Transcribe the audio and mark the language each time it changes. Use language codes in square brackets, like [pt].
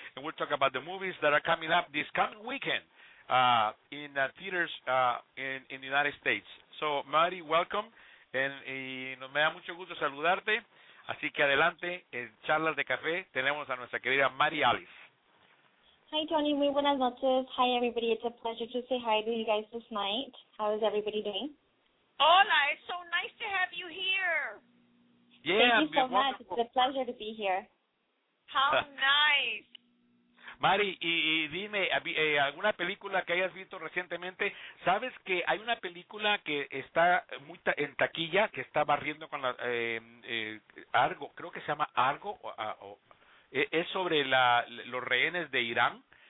[en] And we'll talk about the movies that are coming up this coming weekend in theaters in the United States. So, Mari, welcome. [es] Y nos me da mucho gusto saludarte, así que adelante, en Charlas de Café, tenemos a nuestra querida Mari Alice. Hi, Tony, muy buenas noches. [en] Hi, everybody, it's a pleasure to say hi to you guys this night. How is everybody doing? Hola, it's so nice to have you here. Yeah, thank you so much, it's a pleasure to be here. How nice. [es] Mari, y dime, ¿alguna película que hayas visto recientemente? ¿Sabes que hay una película que está muy en taquilla, que está barriendo con la... Argo, creo que se llama Argo, es sobre los rehenes de Irán.